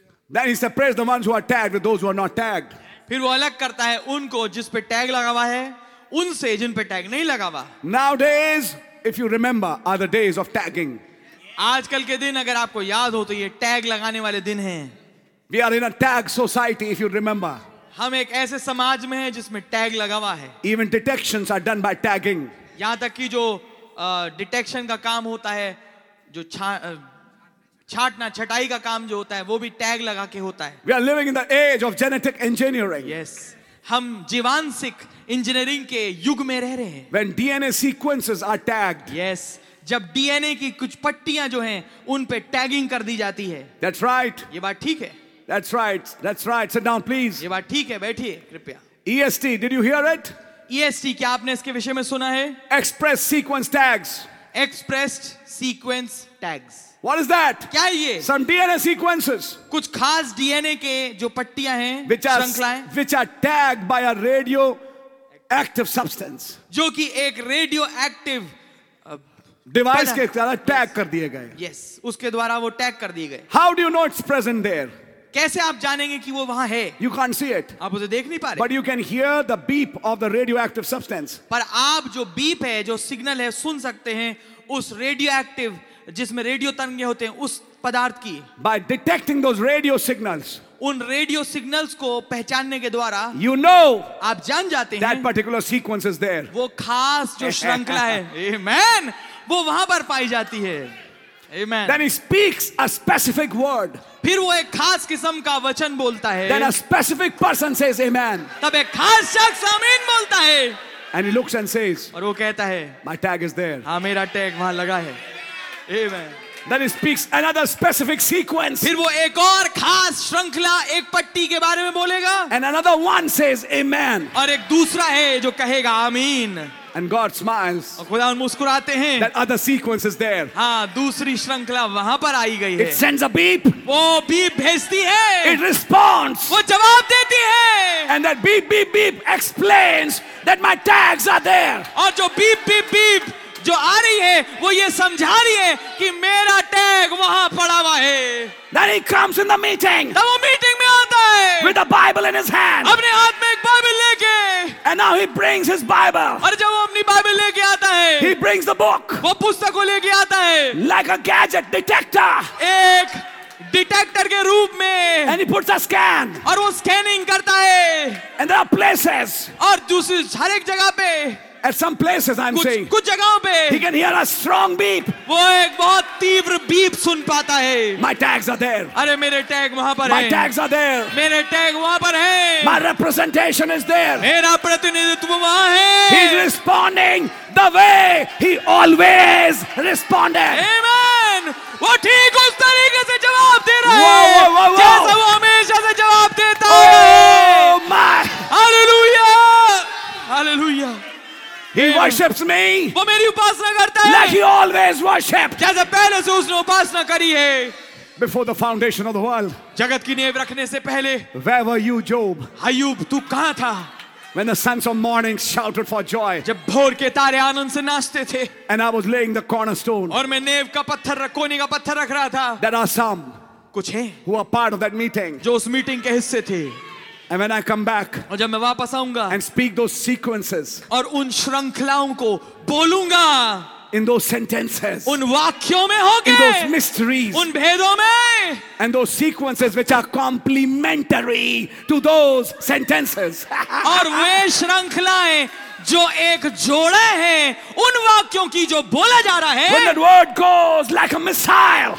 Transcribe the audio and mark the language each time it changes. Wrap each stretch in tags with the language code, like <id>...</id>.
<en>Then he separates the ones who are tagged with those who are not tagged.</en> <hi>फिर वो अलग करता है उनको जिस पे टैग लगा हुआ है उनसे जिन पे टैग नहीं लगा हुआ.</hi> <en>Nowadays, if you remember, are the days of tagging.</en> <hi>आजकल के दिन अगर आपको याद हो तो ये टैग लगाने वाले दिन हैं.</hi> <en>We are in a tag society, if you remember.</en> <hi>हम एक ऐसे समाज में हैं जिसमें टैग लगा हुआ है.</hi> <en>Even detections are done by tagging.</en> <hi>यहाँ तक कि जो डिटेक्शन का काम होता है जो छाटना छटाई का काम जो होता है वो भी टैग लगा के होता है.</hi> <en>We are living in the age of genetic engineering.</en> <hi>Yes, हम जीवांशिक इंजीनियरिंग के युग में रह रहे हैं.</hi> <en>When DNA sequences are tagged.</en> <hi>Yes, जब DNA की कुछ पट्टियां जो हैं उन पे टैगिंग कर दी जाती है.</hi> <en>That's right.</en> <hi>ये बात ठीक है.</hi> <en>That's right. Sit down, please.</en> <hi>ये बात ठीक है. बैठिए कृपया.</hi> <en>EST, did you hear it?</en> <hi>EST, क्या आपने इसके विषय में सुना है?</hi> <en>Express sequence tags. Expressed sequence tags. What is that?</en> <hi>क्या ये?</hi> <en>Some DNA sequences.</en> <hi>कुछ खास DNA के जो पट्टियां हैं, श्रृंखलाएं,</hi> <en>which are tagged by a radioactive substance.</en> <hi>जो कि एक radioactive device के द्वारा tag कर दिए गए. Yes, उसके द्वारा वो tag कर दिए गए.</hi> <en>How do you know it's present there?</en> <hi>कैसे आप जानेंगे कि वो वहां है?</hi> <en>You can't see it.</en> <hi>आप उसे देख नहीं पा रहे.</hi> <en>But you can hear the beep of the radioactive substance.</en> <hi>पर आप जो beep है, जो signal है, सुन सकते हैं उस radioactive जिसमें रेडियो तरंगे होते हैं उस पदार्थ की.</hi> <en>By detecting those radio signals,</en> <hi>उन रेडियो सिग्नल्स को पहचानने के द्वारा</hi> <en>you know</en> <hi>आप जान जाते हैं</hi> <en>that particular sequence is there.</en> <hi>वो खास जो श्रृंखला है Amen, वो वहां पर पाई जाती है.</hi> <en>Amen. Then he speaks a specific word.</en> <hi>फिर वो एक खास किस्म का वचन बोलता है.</hi> <en>Then a specific person says Amen.</en> <hi>तब एक खास शख्स आमीन बोलता है.</hi> <en>And he looks and says,</en> <hi>और वो कहता है,</hi> <en>My tag is there.</en> <hi>हाँ, मेरा टैग वहां लगा है. Amen.</hi> <en>Then he speaks another specific sequence.</en> <hi>फिर वो एक और खास श्रृंखला, एक पट्टी के बारे में बोलेगा.</hi> <en>And another one says Amen.</en> <hi>और एक दूसरा है जो कहेगा आमीन.</hi> <en>And God smiles.</en> <hi>और खुदा मुस्कुराते हैं.</hi> <en>That other sequence is there.</en> <hi>हाँ, दूसरी श्रृंखला वहाँ पर आई गई है.</hi> <en>It sends a beep.</en> <hi>वो beep भेजती है.</hi> <en>It responds.</en> <hi>वो जवाब देती है.</hi> <en>And that beep beep beep explains that my tags are there.</en> <hi>और जो beep beep beep जो आ रही है वो ये समझा रही है कि मेरा टैग वहाँ पड़ा हुआ है.</hi> <en>Then he comes in the meeting.</en> <hi>तब वो मीटिंग में आता है.</hi> <en>With a Bible in his hand.</en> <hi>अपने हाथ में एक बाइबल लेके.</hi> <en>And now he brings his Bible.</en> <hi>और जब वो अपनी बाइबल लेके आता है.</hi> <en>He brings the book.</en> <hi>वो पुस्तक को लेके आता है.</hi> <en>Like a gadget detector.</en> <hi>एक डिटेक्टर के रूप में.</hi> <en>And he puts a scan.</en> <hi>और वो स्कैनिंग करता है.</hi> <en>And there are places.</en> <hi>और दूसरी हर एक जगह पे.</hi> <en>At some places, I'm</en> <hi>कुछ,</hi> <en>saying.</en> <hi>कुछ जगहों पे.</hi> <en>He can hear a strong beep.</en> <hi>वो एक बहुत तीव्र बीप सुन पाता है.</hi> <en>My tags are there.</en> <hi>अरे मेरे टैग वहाँ पर हैं.</hi> <en>My tags are there.</en> <hi>मेरे टैग वहाँ पर हैं.</hi> <en>My representation is there.</en> <hi>मेरा प्रतिनिधित्व वहाँ है.</hi> <en>He's responding the way he always responded. Amen.</en> <hi>वो ठीक उस तरीके से जवाब दे रहा है. जैसे वो हमेशा से जवाब देता है.</hi> <en>Oh my. Hallelujah. Hallelujah. He Amen. Worships me.</en> <hi>वो मेरी उपासना करता है.</hi> <en>Like he always worshipped.</en> <hi>जैसे पहले से उसने उपासना करी है.</hi> <en>Before the foundation of the world.</en> <hi>जगत की नींव रखने से पहले.</hi> <en>Where were you, Job?</en> <hi>अय्यूब, तू कहाँ था?</hi> <en>When the sons of morning shouted for joy.</en> <hi>जब भोर के तारे आनंद से नाचते थे.</hi> <en>And I was laying the cornerstone.</en> <hi>और मैं नींव का पत्थर, कोने का पत्थर रख रहा था.</hi> <en>There are some.</en> <hi>कुछ हैं.</hi> <en>Who are part of that meeting.</en> <hi>जो उस मीटिंग के हिस्से थे.</hi> <en>And when I come back,</en> <hi>और जब मैं वापस आऊंगा,</hi> <en>and speak those sequences,</en> <hi>और उन श्रृंखलाओं को बोलूंगा,</hi> <en>in those sentences,</en> <hi>उन वाक्यों में होके,</hi> <en>in those mysteries,</en> <hi>उन भेदों में,</hi> <en>and those sequences which are complementary to those sentences,</en> <hi>और वे श्रृंखलाएं जो एक जोड़ा है उन वाक्यों की जो बोला जा रहा है.</hi> <en>When that word goes like a missile,</en>